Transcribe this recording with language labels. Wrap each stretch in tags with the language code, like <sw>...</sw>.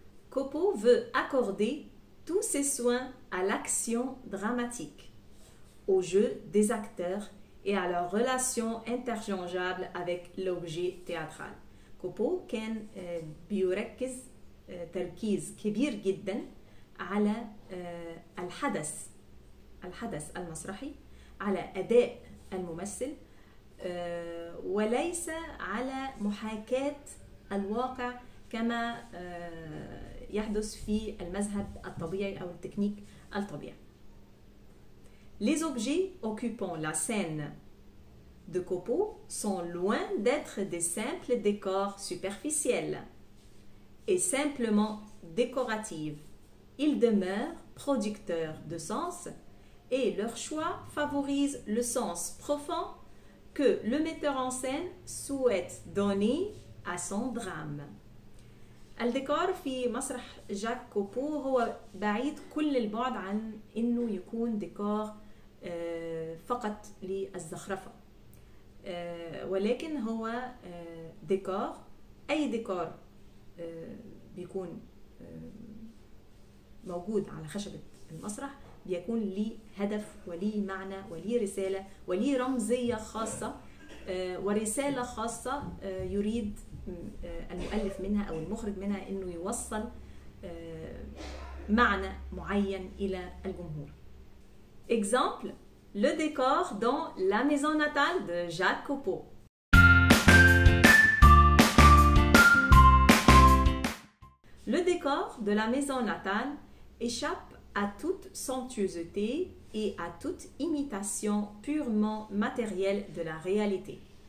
<fr>كوبو veut accorder tous ses soins à l'action dramatique, au jeu des acteurs et à leur relation interchangeable avec l'objet théâtral.</fr> <ar>كوبو كان بيركز تركيز كبير جدا على الحدث المسرحي على أداء الممثل وليس على محاكاة الواقع كما يحدث في المذهب الطبيعي أو التكنيك الطبيعي.</ar> <fr>Les objets occupant la scène de Coppo sont loin d'être des simples décors superficiels et simplement décoratifs. Ils demeurent producteurs de sens et leur choix favorise le sens profond que le metteur en scène souhaite donner à son drame. Le décor</fr> <ar>في مسرح جاك كوبو هو بعيد كل البعد عن انه يكون ديكور فقط للزخرفة. ولكن هو ديكور اي ديكور بيكون موجود على خشبة المسرح بيكون لي هدف ولي معنى ولي رسالة ولي رمزية خاصة ورسالة خاصة يريد المؤلف منها أو المخرج منها أنه يوصل معنى معين إلى الجمهور.</ar> <fr>Exemple, le décor dans la maison natale de Jacques Coppo. Le décor de la maison natale échappe à toute somptuosité et à toute imitation purement matérielle de la réalité.</fr>